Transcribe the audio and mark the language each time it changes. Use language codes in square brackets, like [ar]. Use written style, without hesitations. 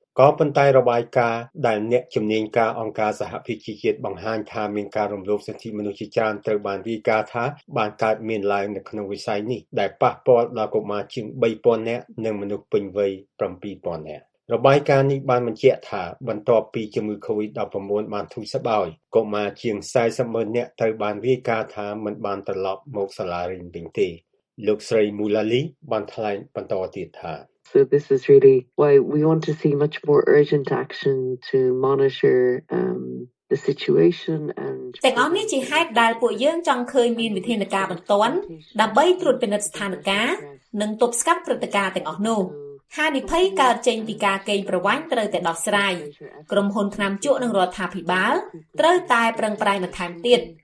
[km] ក៏ប៉ុន្តែរបាយការណ៍ដែលអ្នកជំនាញការអង្គការសហភាពជាតិបង្ហាញថាមានការរំលោភសិទ្ធិមនុស្សជាច្រើនត្រូវបានរាយការណ៍ថាបានកើតមានឡើងនៅក្នុងវិស័យនេះដែលប៉ះពាល់ដល់កុមារជាង 3,000 នាក់និងមនុស្សពេញវ័យ 7,000 នាក់របាយការណ៍នេះបានបញ្ជាក់ថាបន្ទាប់ពីជំងឺ COVID-19 បានធូរស្បើយកុមារជាង400,000នាក់ត្រូវបានរាយការណ៍ថាមិនបានត្រឡប់មកសាលារៀនវិញទេលោកស្រីមូឡាលីបានថ្លែងបន្តទៀតថា [en] So this is really why we want to see much more urgent action to monitor the situation and [km] តែអំនេះជាហេតុដែលពួកយើងចង់ឃើញមានវិធានការបន្ទាន់ដើម្បីត្រួតពិនិត្យស្ថានភាពនិងទប់ស្កាត់ព្រឹត្តិការណ៍ទាំងអស់នោះហានិភ័យកើតចេញពីការកេងប្រវ័ញ្ចត្រូវតែដោះស្រាយក្រុមហ៊ុនថ្នាំជក់និងរដ្ឋាភិបាលត្រូវតែប្រឹងប្រែងបន្ថែមទៀត